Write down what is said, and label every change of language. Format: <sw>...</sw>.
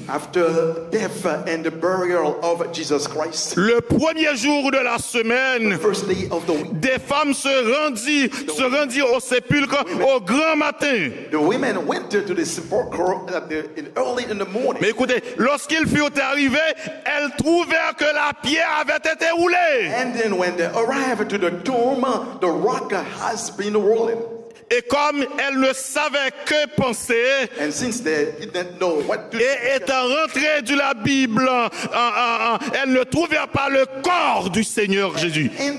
<en>after death and the burial of Jesus Christ,</en> <fr>le premier jour de la semaine,</fr> <en>the first day of the week,</en> <fr>des femmes se rendirent au sépulcre au grand matin.</fr> <en>The women went to the sepulchre early in the morning.</en> <fr>Mais écoutez, lorsqu'ils furent arrivés, elles trouvèrent que la pierre avait été roulée.</fr> <en>And then when they arrived to the tomb, the rock has been rolled.</en> <fr>Et comme elle ne savait que penser,</fr> <en>and since they didn't know what to</en> <fr>et étant rentrée de la Bible, elle ne trouvait pas le corps du Seigneur Jésus.</fr>